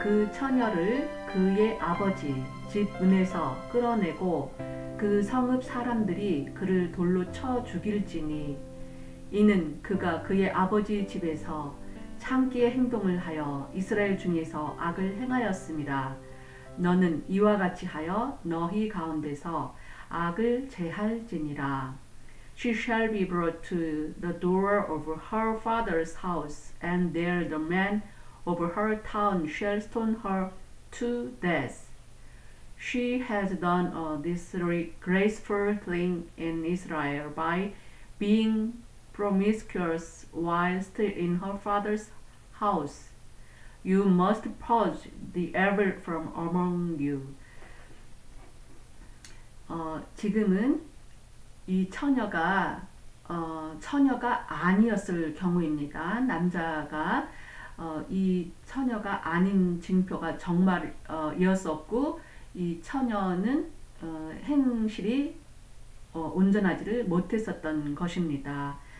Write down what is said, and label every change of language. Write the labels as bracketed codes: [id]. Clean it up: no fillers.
[ko] 그 처녀를 그의 아버지 집 문에서 끌어내고 그 성읍 사람들이 그를 돌로 쳐 죽일지니 이는 그가 그의 아버지 집에서 창기의 행동을 하여 이스라엘 중에서 악을 행하였습니다. 너는 이와 같이 하여 너희 가운데서 악을 제할지니라. [en] She shall be brought to the door of her father's house, and there the man of her town shall stone her to death. She has done a disgraceful thing in Israel by being promiscuous while still in her father's house. You must purge the evil from among you. [ko] 지금은 이 처녀가 아니었을 경우입니다. 남자가 이 처녀가 아닌 증표가 정말이었었고 이 처녀는 행실이 온전하지를 못했었던 것입니다.